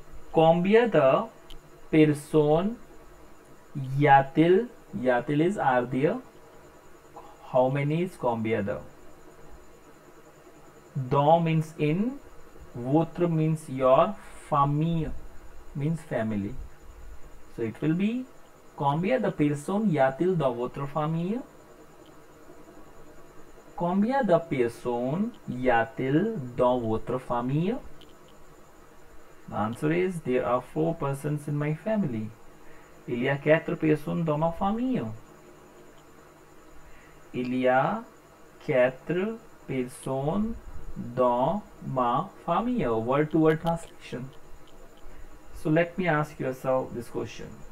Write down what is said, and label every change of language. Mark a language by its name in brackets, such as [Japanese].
[French] Combien de personnes y a-t-il? [English] Y a-t-il is are there. How many is combien de? Dans means in, votre means your, famille means family. So it will be, [French] combien de personnes y a-t-il dans votre famille? Combien de personnes y a-t-il dans votre famille? [English] The answer is, there are four persons in my family. [French] Il y a quatre personnes dans ma famille. Il y a quatre personnes dans ma famille, [English] word-to-word translation. So let me ask yourself this question.